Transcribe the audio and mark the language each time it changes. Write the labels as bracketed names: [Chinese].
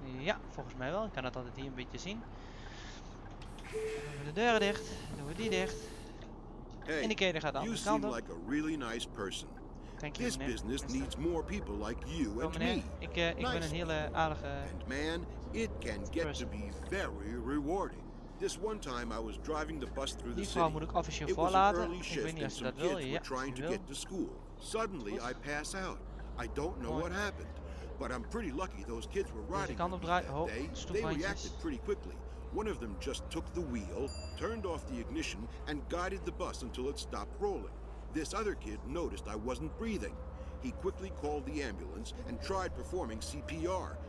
[Dutch] Ja, volgens mij wel. Ik kan het altijd hier een beetje zien. Dan doen we de deuren dicht. Dan doen we die dicht. Hey, indicator gaat de andere kant op. [English] Like a really nice person. Thank this you, business needs more people like you and me. [Dutch] Ik ben een hele aardige. [English] And man, it can get to be very rewarding. This one time I was driving the bus through the city. [Dutch] Die vrouw moet ik officieel voorlaten. Ik weet niet of ze dat wil. [English] Ja, trying to get to school. Suddenly I pass out. I don't know what happened. But I'm pretty lucky those kids were riding on that day. They reacted pretty quickly. One of them just took the wheel, turned off the ignition, and guided the bus until it stopped rolling. This other kid noticed I wasn't breathing. He quickly called the ambulance and tried performing CPR.